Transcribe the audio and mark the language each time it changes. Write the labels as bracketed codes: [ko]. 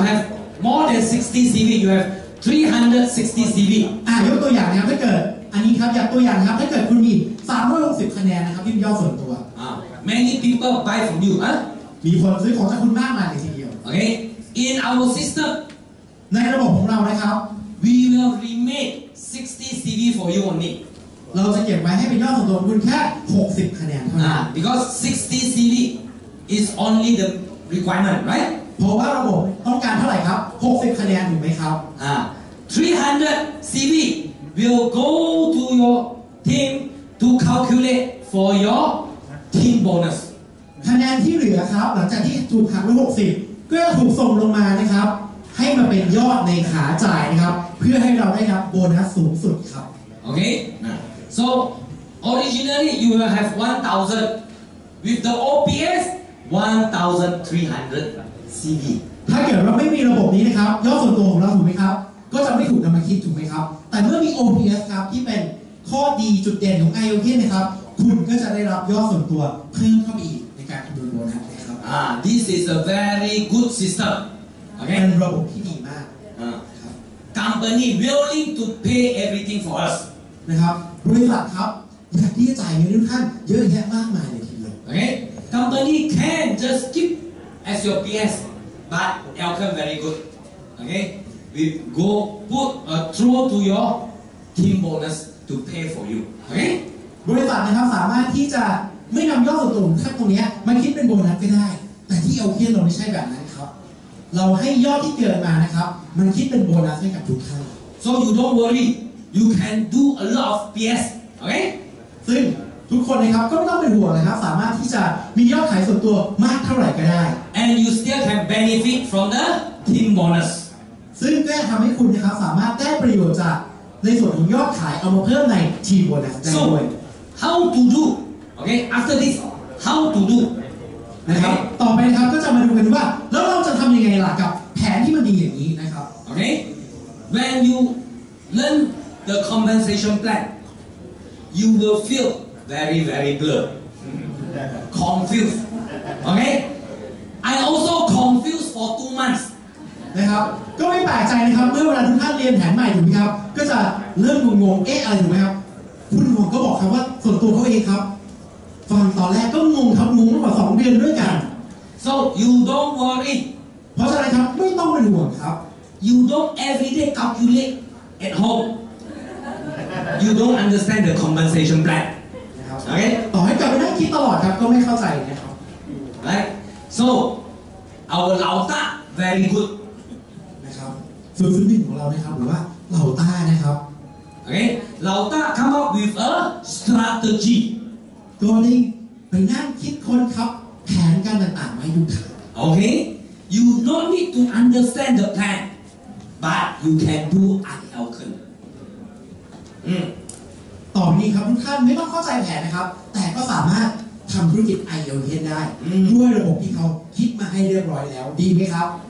[en] you have more than 60 CV you have 360 CV [th] ยกตัวอย่างนะครับถ้าเกิดอันนี้ครับอยากตัวอย่างนะครับถ้าเกิดคุณมี360คะแนนนะครับที่มียอดส่วนตัว [en] many people buy from you [th] มีคนซื้อของจากคุณมากมายเลยทีเดียว [en] โอเค in our system [th] ในระบบของเรานะครับ [en] we will remit 60 CV for you only [th] เราจะเก็บไว้ให้เป็นยอดของตัวคุณแค่60คะแนนเท่านั้น [en] because 60 CV is only the requirement right [th] เพราะว่าระบบต้องการเท่าไหร่ครับ60คะแนนถูกไหมครับ [en] 300 CV will go to your team to calculate for your team bonus [th] คะแนนที่เหลือครับหลังจากที่ถูกหักไป60ก็จะถูกส่งลงมานะครับให้มาเป็นยอดในขาจ่ายนะครับเพื่อให้เราได้รับโบนัสสูงสุดครับ [en] โอเค so originally you will have 1,000 with the OPS 1,300 CV [th] ถ้าเกิดเราไม่มีระบบนี้นะครับยอดส่วนตัวของเราถูกไหมครับก็จะไม่ถูกนำมาคิดถูกไหมครับแต่เมื่อมี OPS ครับที่เป็นข้อดีจุดเด่นของ IOK นะครับคุณก็จะได้รับยอดส่วนตัวเพิ่มเข้าไปอีกในการคำนวณโบนัสนะครับ [en] This is a very good system okay [th] เป็นระบบที่ดีมาก [en] company willing to pay everything for us [th] นะครับบริษัทครับอยากที่จะจ่ายเงินทุกท่านเยอะแยะมากมายเลยทีเดียว [en] โอเค company can just keep as your PS but outcome very good okayWe go put a throw to your team bonus to pay for you. Okay? [th] บริษัทนะครับสามารถที่จะไม่นำยอดส่วนตัวท่านตรงนี้มาคิดเป็นโบนัสก็ได้แต่ที่เอาเคียนเราไม่ใช่แบบนั้นครับเราให้ยอดที่เกิดมานะครับมันคิดเป็นโบนัสให้กับทุกท่าน [en] So you don't worry. You can do a lot of PS. Okay? [th] ซึ่งทุกคนนะครับก็ไม่ต้องเป็นห่วงนะครับสามารถที่จะมียอดขายส่วนตัวมากเท่าไหร่ก็ได้ [en] And you still can benefit from the team bonus. [th] ซึ่งก็ทำให้คุณนะครับสามารถได้ประโยชน์จากในส่วนของยอดขายเอามาเพิ่มในทีมโบนัสได้ด้วย [en] How to do okay after this how to do [th] นะครับต่อไปนะครับก็จะมาดูกันว่าแล้วเราจะทำยังไงล่ะกับแผนที่มันดีอย่างนี้นะครับ [en] okay when you learn the compensation plan you will feel very very blur confused okay I also confused for 2 months [th] นะครับก็ไม่แปลกใจนะครับเมื่อเวลาทุกท่านเรียนแผนใหม่ถูกไหมครับก็จะเริ่มงงๆเอ๊ะอะไรถูกไหมครับคุณหมอก็บอกครับว่าส่วนตัวเขาเองครับฟังตอนแรกก็งงครับงงมากกว่า2 เดือนด้วยกัน [en] so you don't worry [th] เพราะอะไรครับไม่ต้องเป็นห่วงครับ [en] you don't everyday calculate at home you don't understand the compensation plan [th] นะครับ โอเคต่อให้กลับไปนั่งคิดตลอดครับก็ไม่เข้าใจนะครับ [en] right so our lao ta very good [th] ส่วนฟื้นฟูของเรานะครับหรือว่าเหล่าต้านะครับ [en] โอเคเหล่าต้า come up with a strategy [th] ตัวนี้ไปนั่งคิดคนครับแผนการต่างๆไว้ดูครับ [en] โอเค you don't need to understand the plan but you can do IELTS [th] ต่อนี้ครับทุกท่านไม่ต้องเข้าใจแผนนะครับแต่ก็สามารถทำธุรกิจ IELTS ได้ ด้วยระบบที่เขาคิดมาให้เรียบร้อยแล้วดีไหมครับ